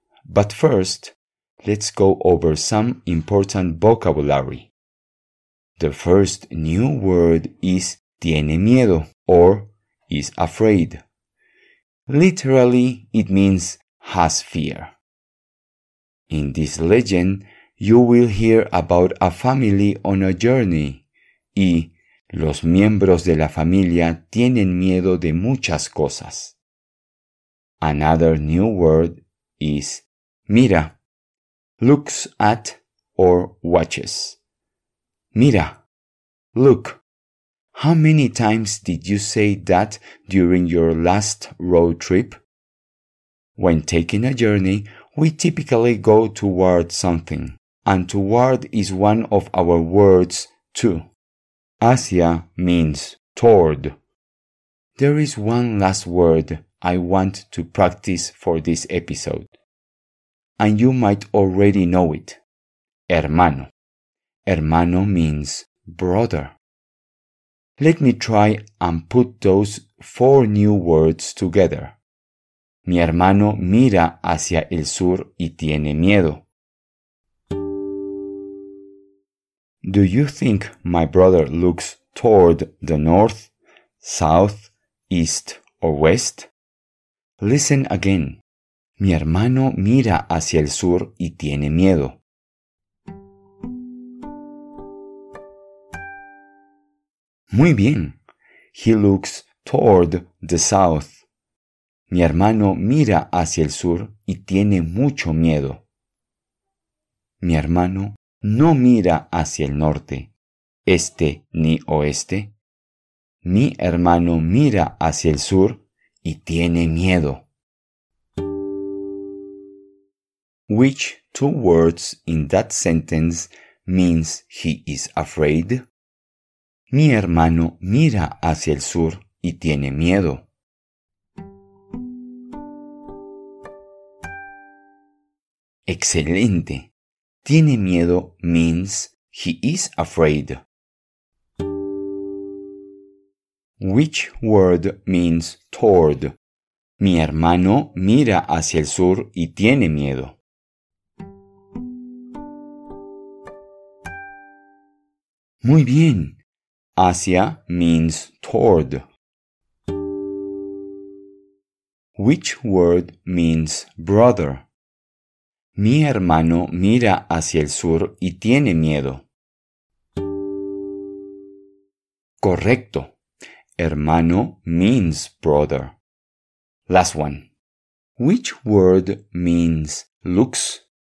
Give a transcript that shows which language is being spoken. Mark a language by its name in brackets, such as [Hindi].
[English] But first, let's go over some important vocabulary. The first new word is tiene miedo or is afraid. Literally, it means has fear. In this legend, you will hear about a family on a journey [Spanish] y los miembros de la familia tienen miedo de muchas cosas. [English] Another new word is mira, looks at or watches. Mira, look. How many times did you say that during your last road trip? When taking a journey, we typically go toward something, and toward is one of our words too. Hacia means toward. There is one last word I want to practice for this episode, and you might already know it. Hermano. Hermano means brother. Let me try and put those four new words together. [Spanish] Mi hermano mira hacia el sur y tiene miedo. [English] Do you think my brother looks toward the north, south, east, or west? Listen again. [Spanish] Mi hermano mira hacia el sur y tiene miedo. Muy bien. [English] He looks toward the south. [Spanish] Mi hermano mira hacia el sur y tiene mucho miedo. Mi hermano no mira hacia el norte, este ni oeste. Mi hermano mira hacia el sur y tiene miedo. [English] Which two words in that sentence means he is afraid? [Spanish] Mi hermano mira hacia el sur y tiene miedo. ¡Excelente! [English] Tiene miedo means he is afraid. Which word means toward? [Spanish] Mi hermano mira hacia el sur y tiene miedo. ¡Muy bien! [English] Hacia means toward. Which word means brother? [Spanish] Mi hermano mira hacia el sur y tiene miedo. Correcto. [English] Hermano means brother. Last one. Which word means looks?